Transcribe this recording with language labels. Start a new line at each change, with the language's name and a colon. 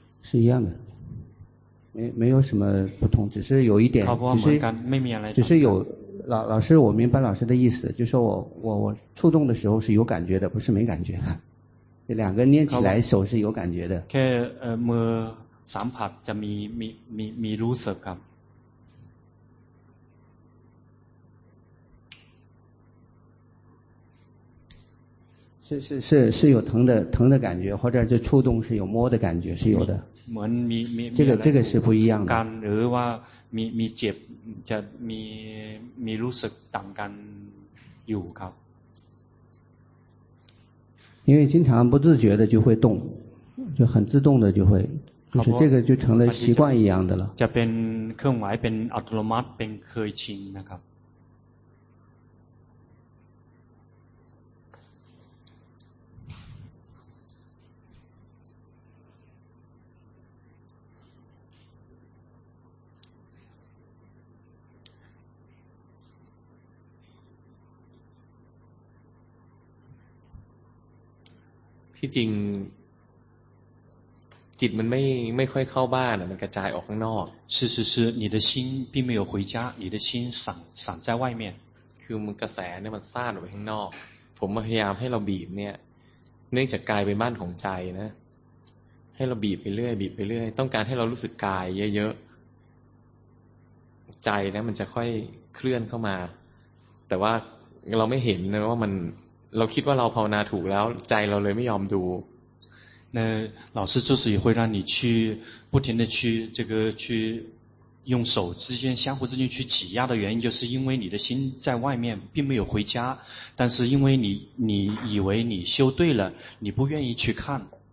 Thai: สิ่งเดียวกัน
Chinese: 没有什么不同只是有一点
Thai: เหมือนกันไม่มีอะไร
Chinese: 只是有老师我明白老师的意思就说我触动的时候是有感觉的不是没感觉啊这两个捏起来手是有感觉的
Thai: แค่มือสัมผัสจะมีรู้สึกครับ
Chinese: 是有疼的感觉或者是触动是有摸的感觉是有的这个是不一样的感觉或
Thai: มีเจ็บจะมีรู้สึกต่างกันอยู่ครับ
Chinese: 因为经常不自觉的就会动就很自动的就是这个就成了习惯一样的了
Thai: จะเป็นเครื่องหมายเป็นอัตโนมัติเป็นเคยชินนะครับ ที่จริงจิตมันไม่ค่อยเข้าบ้านมันกระจายออกข้างนอก
Chinese: 是你的心并没有回家你的心散在外面
Thai: คือมันกระแสเนี่ยมันซ่านออกไปข้างนอกผมพยายามให้เราบีบเนี่ยเนื่องจากกายเป็นบ้านของใจนะให้เราบีบไปเรื่อยบีบไปเรื่อยต้องการให้เรารู้สึกกายเยอะๆใจนะมันจะค่อยเคลื่อนเข้ามาแต่ว่าเราไม่เห็นนะว่ามันเราคิดว่าเราภาวนาถูกแล้วใจเราเลยไม่ยอมดู
Chinese: 那老师就是会让你去不停的去这个去用手之间相互之间去挤压的原因就是因为你的心在外面并没有回家但是因为你以为你修对了你不愿意去看